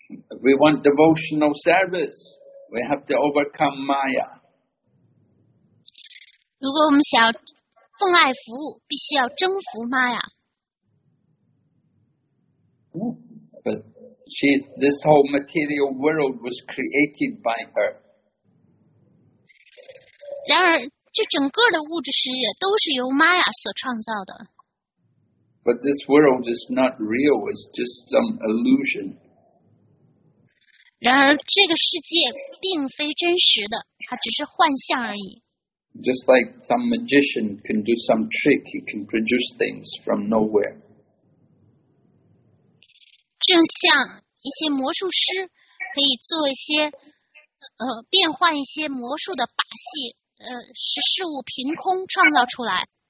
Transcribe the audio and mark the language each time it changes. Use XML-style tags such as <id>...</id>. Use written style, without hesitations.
<en>If we want devotional service, we have to overcome Maya.</en> <zh>如果我们想要奉爱服务，必须要征服 Maya。</zh> <en>But she, this whole material world was created by her.</en> <zh>然而，这整个的物质世界都是由 Maya 所创造的。</zh> <en>But this world is not real, it's just some illusion.</en> <zh>然而这个世界并非真实的，它只是幻象而已。</zh> <en>Just like some magician can do some trick, he can produce things from nowhere.</en> <zh>正像一些魔术师可以做一些变换一些魔术的把戏，使事物凭空创造出来。</zh>